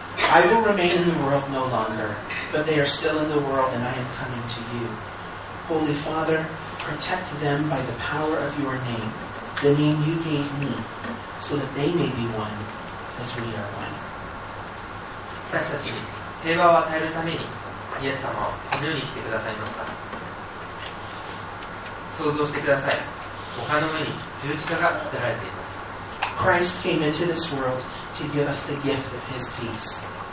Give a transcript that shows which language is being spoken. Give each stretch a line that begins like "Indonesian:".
English: I will remain in the world no longer, but they are still in the world and I am coming to you. Holy Father, protect them by the power of your name, the name you gave me, so that they may be one as we are one.
Japanese: 私たちに平和を与えるためにイエス様はこのように来てくださいました。想像してください。丘の上に十字架が立てられています。
English: Christ came into this world to give us the gift of his peace.